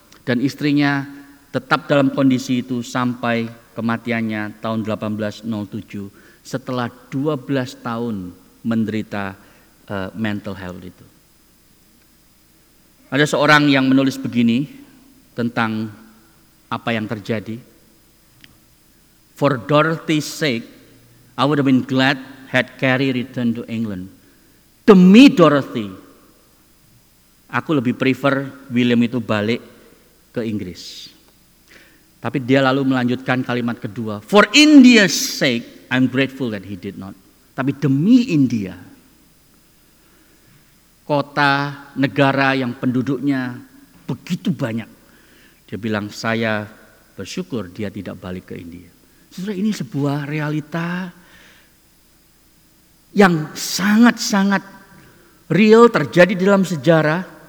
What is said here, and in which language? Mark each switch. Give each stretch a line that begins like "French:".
Indonesian: Dan istrinya tetap dalam kondisi itu sampai kematiannya tahun 1807 setelah 12 tahun menderita
English: mental health
Indonesian: itu. Ada seorang yang menulis begini tentang apa yang terjadi.
English: For Dorothy's sake, I would have been glad had Carey returned to England.
Indonesian: Demi Dorothy, aku lebih prefer William itu balik ke Inggris. Tapi dia lalu melanjutkan kalimat kedua.
English: For India's sake, I'm grateful that he did not.
Indonesian: Tapi demi India, kota negara yang penduduknya begitu banyak, dia bilang, saya bersyukur dia tidak balik ke India. Saudara, ini sebuah realita yang sangat-sangat real terjadi dalam sejarah.